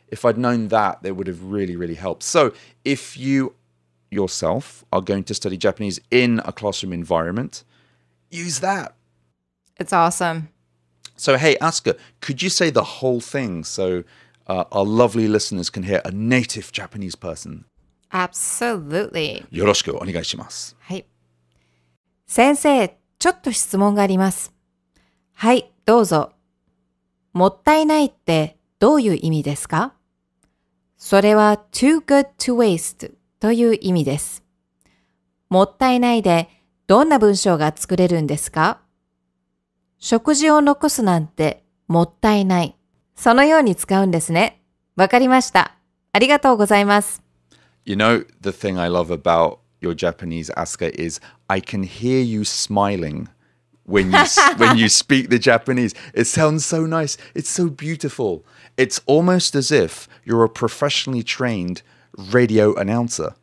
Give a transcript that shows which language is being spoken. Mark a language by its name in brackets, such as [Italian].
[English] If I'd known that, that would have really, really helped. So if you yourself are going to study Japanese in a classroom environment, use that. It's awesome. So, hey, Asuka, could you say the whole thing so our lovely listeners can hear a native Japanese person? Absolutely. [Japanese] よろしくお願いします。はい。先生、ちょっと質問があります。はい、どうぞ。もったいないってどういう意味ですか？それは [English] too good to waste [Japanese] という意味です。もったいないでどんな文章が作れるんですか？食事を残すなんてもったいない。そのように使うんですね。わかりました。ありがとうございます。 [English] You know, the thing I love about your Japanese, Asuka, is I can hear you smiling when you when you speak the Japanese. It sounds so nice. It's so beautiful. It's almost as if you're a professionally trained radio announcer.